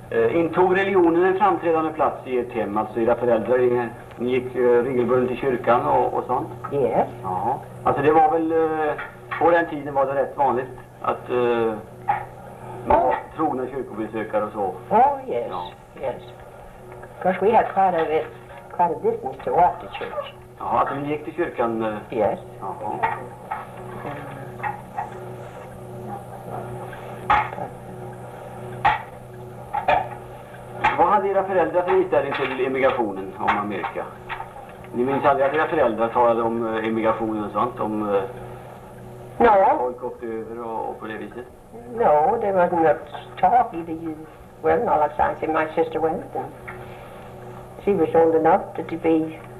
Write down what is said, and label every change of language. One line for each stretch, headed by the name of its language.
Swedish: Intog religionen en framträdande plats i ert hem? Alltså era föräldrar, ni gick regelbundet till kyrkan och sånt?
English: Yes.
Swedish: Ja. Alltså det var väl, på den tiden var det rätt vanligt att man var trogna kyrkobesökare och så.
English: Oh, yes.
Swedish: Ja.
English: Yes. Because we had quite a distance to walk to church.
Swedish: Ja, att ni gick till kyrkan?
English: Yes.
Swedish: Jaha. Vad hade era föräldrar för inställning till immigrationen om Amerika? Ni minns aldrig att era föräldrar talade om immigrationen och sånt? Om
English: no.
Swedish: Folk åkte över och på det viset?
English: No, there was no talk either. You well, all of a sudden, my sister went and she was old enough to be...